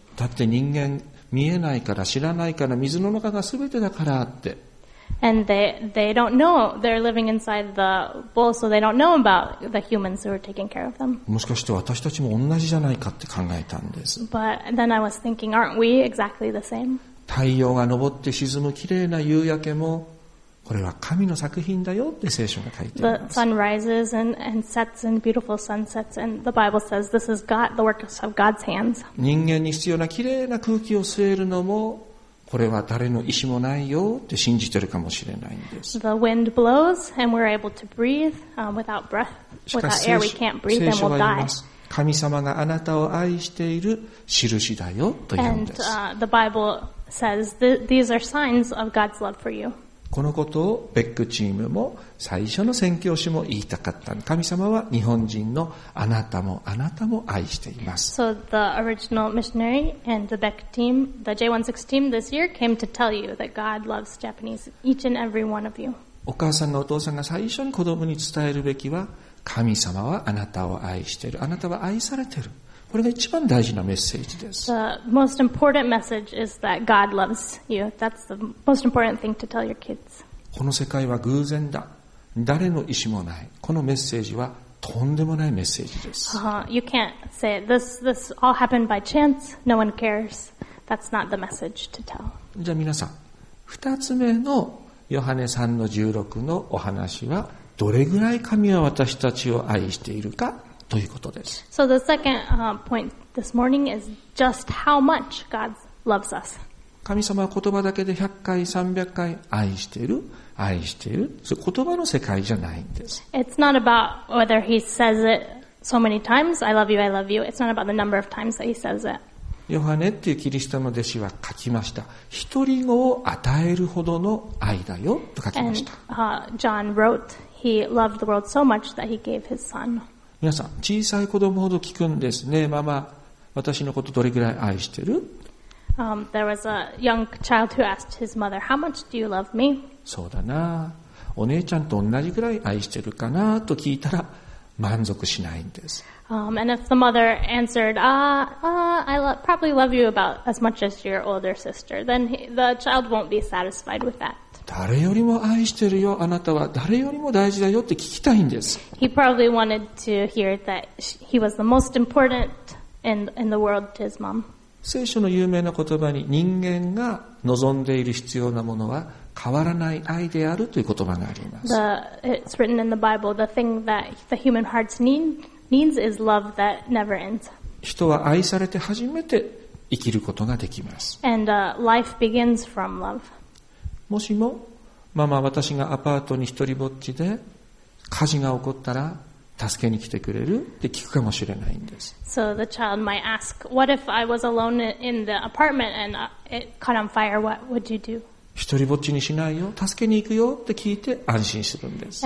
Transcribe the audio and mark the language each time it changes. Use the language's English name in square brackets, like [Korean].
[Japanese] だって人間見えないから知らないから水の中が全てだからって。 [English] And they don't know. They're living inside the bowl, so they don't know about the humans who are taking care of them. [Japanese] もしかして私たちも同じじゃないかって考えたんです。 [English] But then I was thinking, aren't we exactly the same? [Japanese] 太陽が昇って沈むきれいな夕焼けも、これは神の作品だよって聖書が書いています [English] 。The sun rises and sets and beautiful sunsets and the Bible says this is God, the work of God's hands. [Japanese] 人間に必要なきれいな空気を吸えるのも、これは誰の意思もないよって信じてるかもしれないんです。 [English] The wind blows and we're able to breathe without breath. Without air we can't breathe and we'll die. [Japanese] 神様があなたを愛している印だよと言うんです。 [English] And the Bible says these are signs of God's love for you. [Japanese] このことをベックチームも最初の宣教師も言いたかった。神様は日本人のあなたもあなたも愛しています。 [English] So the original missionary and the Beck team, the J16 team this year came to tell you that God loves Japanese, each and every one of you. [Japanese] お母さんがお父さんが最初に子供に伝えるべきは、神様はあなたを愛している。あなたは愛されている。これが一番大事なメッセージです。 [English] The most important message is that God loves you. That's the most important thing to tell your kids. [Japanese] この世界は偶然だ。誰の意思もない。このメッセージはとんでもないメッセージです。 [English] You can't say this all happened by chance. No one cares. That's not the message to tell. [Japanese] じゃあ皆さん、二つ目のヨハネ3の16のお話は、どれぐらい神は私たちを愛しているか。ということです。 [English] So the second point this morning is just how much God loves us. [Japanese] 神様は言葉だけで100回、300回愛している、愛している。それ言葉の世界じゃないんです。 [English] It's not about whether he says it so many times, I love you, I love you. It's not about the number of times that he says it. [Japanese] ヨハネっていうキリストの弟子は書きました。一人子を与えるほどの愛だよと書きました。 [English] And John wrote, he loved the world so much that he gave his son. [Japanese] 皆さん、小さい子供ほど聞くんですね。ママ、私のことどれぐらい愛してる？ [English] There was a young child who asked his mother, How much do you love me? [Japanese] そうだな。お姉ちゃんと同じぐらい愛してるかなと聞いたら満足しないんです。 [English] And if the mother answered, I probably love you about as much as your older sister, then the child won't be satisfied with that. [Japanese] 誰よりも愛してるよ、あなたは誰よりも大事だよって聞きたいんです。 [English] He probably wanted to hear that he was the most important in the world to his mom. [Japanese] 聖書の有名な言葉に人間が望んでいる必要なものは変わらない愛であるという言葉があります。 [English] It's written in the Bible, the thing that the human heart needs is love that never ends. [Japanese] 人は愛されて初めて生きることができます。 [English] And life begins from love. [Japanese] もしもママ私がアパートに一人ぼっちで火事が起こったら助けに来てくれるって聞くかもしれないんです。 [English] So the child might ask, "What if I was alone in the apartment and it caught on fire? What would you do?" [Japanese] 一人ぼっちにしないよ、助けに行くよって聞いて安心するんです。